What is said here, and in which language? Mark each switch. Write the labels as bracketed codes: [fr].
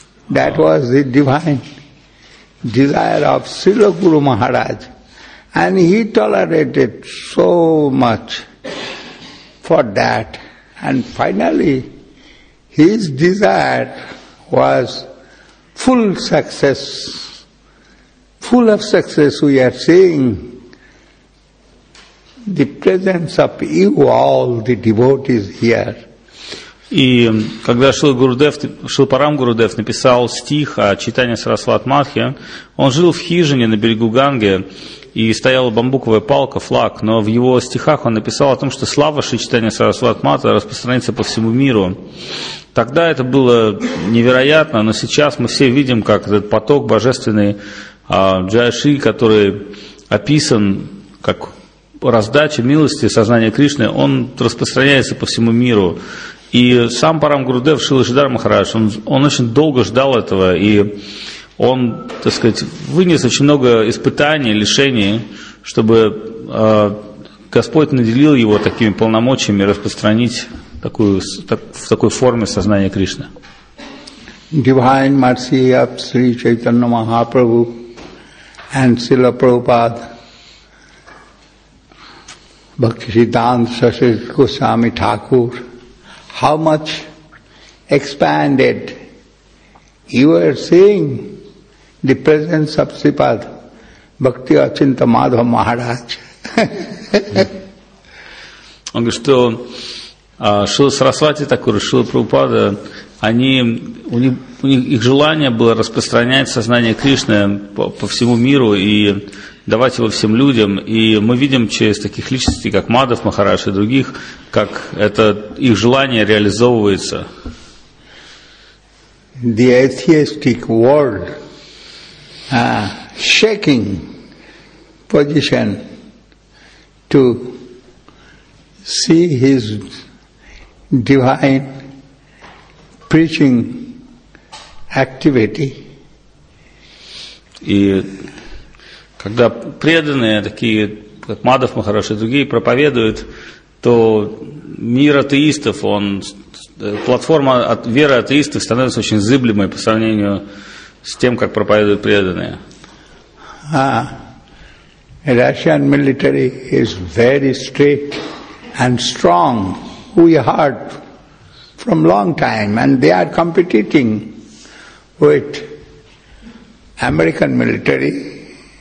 [en] That was the divine desire of Srila Guru Maharaj, and he tolerated so much for that, and finally his desire was full success, full of success. We are seeing the presence of you all, the devotees here. [ru] И когда Шрила Парам Гурудев написал стих о читании Сарасват Матхи, он жил в хижине на берегу Ганги, и стояла бамбуковая палка, флаг, но в его стихах он написал о том, что слава Шри Чайтанья Сарасват Матхи распространится по всему миру. Тогда это было невероятно, но сейчас мы все видим, как этот поток божественный Джайши, который описан как раздача милости сознания Кришны, он распространяется по всему миру. И сам Парам Гурудев Шрила Шридхара Махарадж, он очень долго ждал этого, и он, так сказать, вынес очень много испытаний, лишений, чтобы Господь наделил его такими полномочиями распространить такую, в такой форме сознание Кришны. [en] Divine mercy of Sri Chaitanya Mahaprabhu and Srila Prabhupada, Bhaktisiddhanta Saraswati Goswami Thakur, how much expanded you are seeing the presence of Sripad Bhakti Achinta Madhava Maharaj. [ru] Он говорит, что Шрила Сарасвати Такур, Шрила Прабхупада, их желание было распространять сознание Кришны по всему миру и давать его всем людям. И мы видим через таких личностей, как Мадав Махарадж и других, как это их желание реализовывается. [en] The atheistic world shaking position to see his divine preaching activity. [ru] И когда преданные, такие как Мадав Махарадж и другие, проповедуют, то мир атеистов, платформа веры атеистов становится очень зыблемой по сравнению с тем, как проповедуют преданные. [en] Russian military is very strict and strong. We heard from long time, and they are competing with American military.